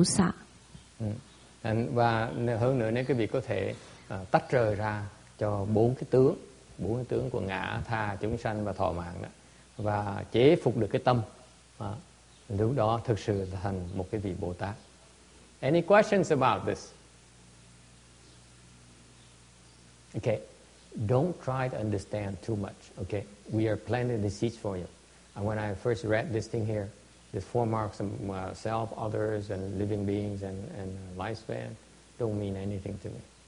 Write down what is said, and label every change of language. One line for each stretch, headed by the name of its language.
Chinese: 所以如果说你可以离开这个四相的话呢，降服你的心，那你就可以成为这个真实的菩萨。嗯，
Vietnamese: và hơn nữa nếu quý vị có thể tách rời ra cho bốn cái tướng của ngã, tha, chúng sanh và thọ mạng đó, và chế phục được cái tâm, lúc đó thực sự thành một cái vị Bồ Tát.
English: Any questions about this? Okay, don't try to understand too much, okay? We are planting the seeds for you. And when I first read this thing here, the four marks of self, others, and living beings, and lifespan don't mean anything to me.